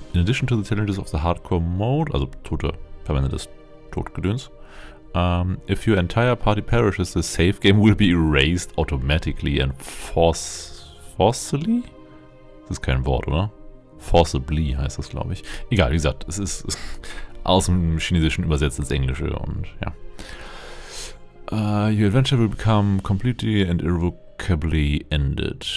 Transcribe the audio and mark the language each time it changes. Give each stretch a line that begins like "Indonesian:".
English: In addition to the challenges of the Hardcore Mode,
German: also Tote, permanentes Todgedöns.
English: If your entire party perishes, the save game will be erased automatically and forcibly?
German: Das ist kein Wort, oder? Forcibly heißt das, glaube ich. Egal, wie gesagt, es ist aus dem Chinesischen übersetzt ins Englische und ja.
English: Your adventure will become completely and irrevocably ended.